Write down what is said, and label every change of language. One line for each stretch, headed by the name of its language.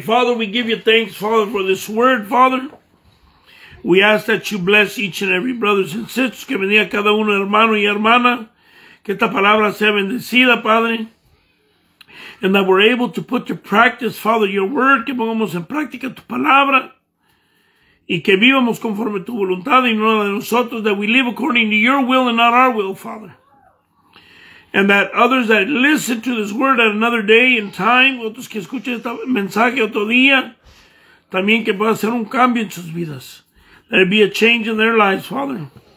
English: Father, we give you thanks, Father, for this word, Father. We ask that you bless each and every brothers and sisters.
Spanish: Que bendiga cada uno, hermano y hermana. Que esta palabra sea bendecida, Padre.
English: And that we're able to put to practice, Father, your word.
Spanish: Que pongamos en práctica tu palabra. Y que vivamos conforme tu voluntad y no la de nosotros.
English: That we live according to your will and not our will, Father. And that others that listen to this word at another day and time,
Spanish: otros que escuchen este mensaje otro día, también que pueda hacer un cambio en sus vidas.
English: Let it be a change in their lives, Father.